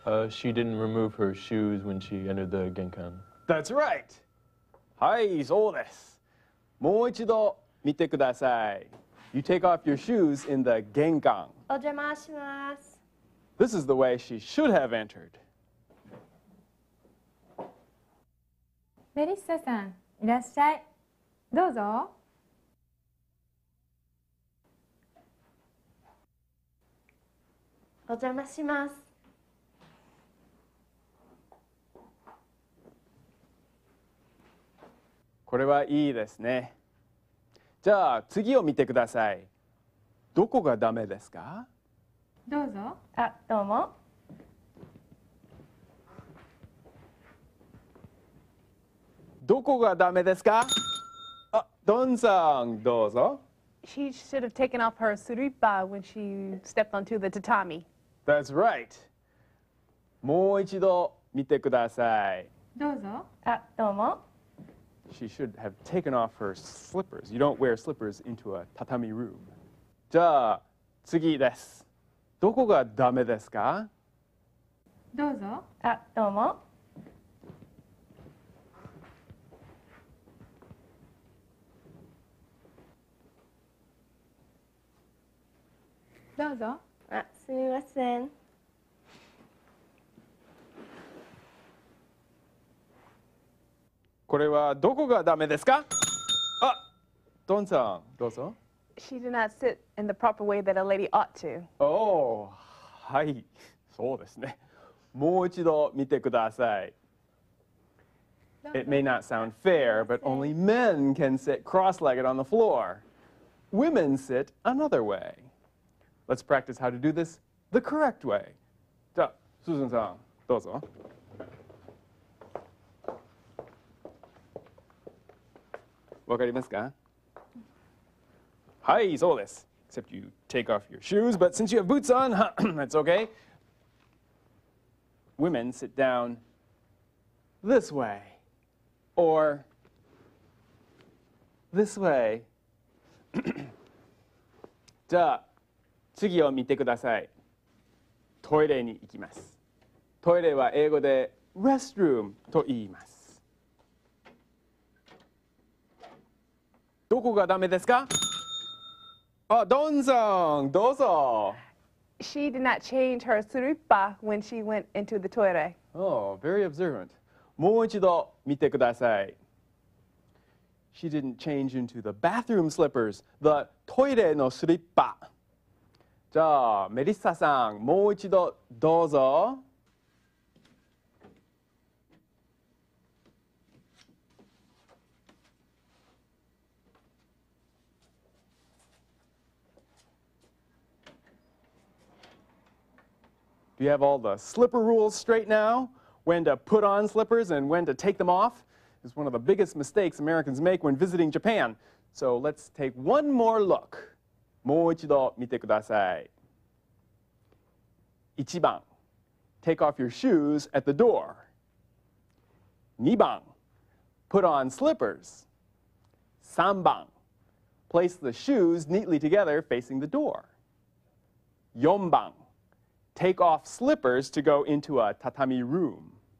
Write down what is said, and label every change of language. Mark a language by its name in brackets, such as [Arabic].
[English] She didn't remove her shoes when she entered the genkan. That's right. [Japanese] はい、そうです。もう一度見てください。 [English] You take off your shoes in the genkan. [Japanese] お邪魔します。 [English] This is the way she should have entered. [Japanese] メリッサさん、いらっしゃい。どうぞ。お邪魔します。これはいいですね。じゃあ次を見てください。どこがダメですか？どうぞ。あ、どうも。どこがダメですか？あ、ドンさん、どうぞ。 [English] She should have taken off her スリッパ when she stepped onto the tatami. That's right. [Japanese] もう一度見てください。どうぞ。あ、どうも。 [English] She should have taken off her slippers. You don't wear slippers into a tatami room. [Japanese] じゃあ、次です。どこがダメですか？どうぞ。あ、どうも。どうぞ。あ、すみません。これはどこがダメですか？あ、ドンさん、どうぞ。 [English] She did not sit in the proper way that a lady ought to. [Japanese] Oh, はい、そうですね。もう一度見てください。 [English] It may not sound fair, but only men can sit cross-legged on the floor. Women sit another way. Let's practice how to do this the correct way. [Japanese] じゃあ、スーザンさん、どうぞ。わかりますか？はい、そうです。 [English] Except you take off your shoes, but since you have boots on, that's okay. Women sit down this way. Or this way. [Japanese] じゃあ、次を見てください。トイレに行きます。トイレは英語で restroom と言います。どこがダメですか？あ、ドンさん、どうぞ。 [English] She did not change her slippa when she went into the toilet. Oh, very observant. [Japanese] もう一度見てください。 [English] She didn't change into the bathroom slippers, the [Japanese] トイレのスリッパ。じゃあ、メリッサさん、もう一度どうぞ。 [English] Do you have all the slipper rules straight now? When to put on slippers and when to take them off? It's one of the biggest mistakes Americans make when visiting Japan. So let's take one more look. [Japanese] もう一度見てください。 [English] 1番、take off your shoes at the door. 2番、put on slippers. 3番、place the shoes neatly together facing the door. 4番、take off slippers to go into a tatami room.